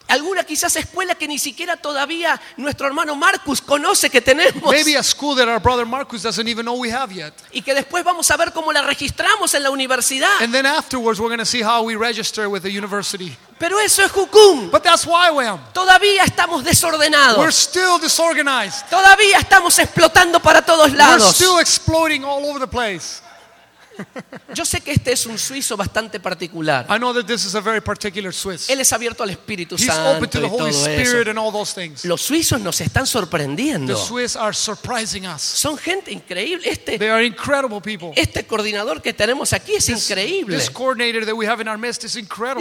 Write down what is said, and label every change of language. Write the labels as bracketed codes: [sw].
[es] Alguna quizás escuela que ni siquiera todavía nuestro hermano Marcus conoce que tenemos. [en] Maybe a school that our brother Marcus doesn't even know we have yet. [es] Y que después vamos a ver cómo la registramos en la universidad. [en] And then afterwards we're going to see how we register with the university. [es] Pero eso es Hukum. [en] But that's why we am. [es] Todavía estamos desordenados. [en] We're still disorganized. [es] Todavía estamos explotando para todos lados. [en] We're still exploding all over the place. [es] Yo sé que este es un suizo bastante particular. [en] I know that this is a very particular Swiss. [es] Él es abierto al Espíritu [en] He's [es] Santo [en] open to the [es] y todo [en] Spirit [es] eso. [en] And all those things. [es] Los suizos nos están sorprendiendo. [en] The Swiss are surprising us. [es] Son gente increíble. [en] They are incredible people. [es] Este coordinador que tenemos aquí es increíble. [en] This coordinator that we have in our midst is incredible.